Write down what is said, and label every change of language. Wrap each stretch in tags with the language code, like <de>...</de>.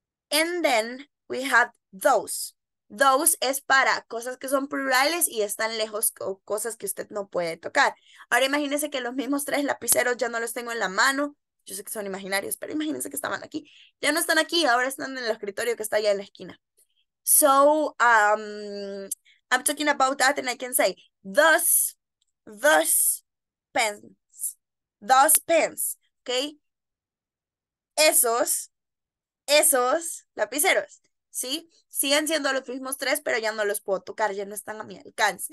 <en>And then, we have those.</en> <es>Those es para cosas que son plurales y están lejos o cosas que usted no puede tocar. Ahora imagínese que los mismos tres lapiceros ya no los tengo en la mano. Yo sé que son imaginarios, pero imagínense que estaban aquí. Ya no están aquí, ahora están en el escritorio que está allá en la esquina.</es> <en>So, I'm talking about that and I can say, those pens, okay?</en> <es>Esos lapiceros, ¿sí? Siguen siendo los mismos tres, pero ya no los puedo tocar, ya no están a mi alcance.</es>